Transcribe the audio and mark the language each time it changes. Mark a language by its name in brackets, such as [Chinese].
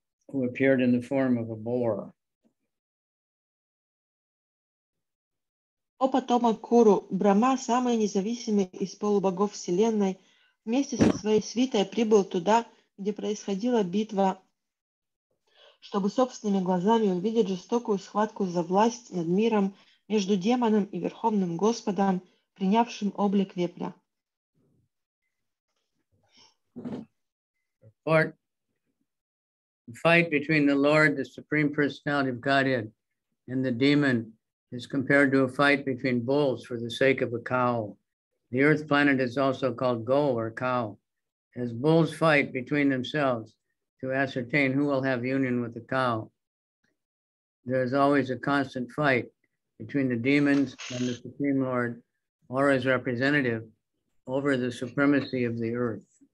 [English] who appeared in the form of a boar. [Russian] О потомок Куру, Брама, самый независимый из полубогов Вселенной, вместе со своей свитой прибыл туда, где происходила битва, чтобы собственными глазами увидеть жестокую схватку за власть над миром между демоном и Верховным Господом, принявшим облик вепря. [English] The fight between the Lord, the Supreme Personality of Godhead, and the demon is compared to a fight between bulls for the sake of a cow. The earth planet is also called Go or cow. As bulls fight between themselves to ascertain who will have union with the cow, there is always a constant fight between the demons and the Supreme Lord or his representative over the supremacy of the earth.